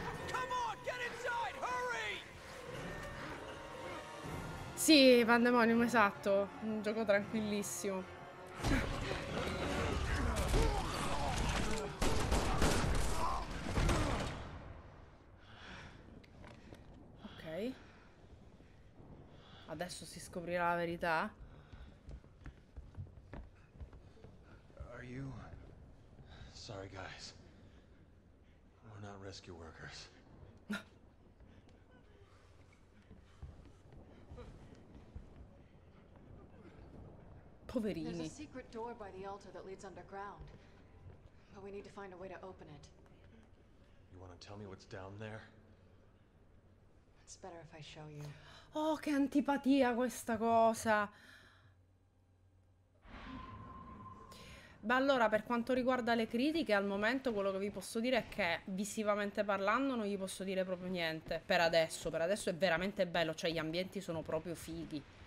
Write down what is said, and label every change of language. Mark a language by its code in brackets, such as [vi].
[en] Come on, get inside, hurry! [it] Sì, Pandemonium, esatto. Un gioco tranquillissimo. Ok. Adesso si scoprirà la verità. [en] Sorry guys. We're not rescue workers. [it] Poverini. [en] There's a secret door by the altar that leads underground. But we need to find a way to open it. You want to tell me what's down there? It's better if I show you. [it] Oh, che antipatia questa cosa. Beh, allora, per quanto riguarda le critiche, al momento quello che vi posso dire è che visivamente parlando non gli posso dire proprio niente. Per adesso è veramente bello, cioè gli ambienti sono proprio fighi.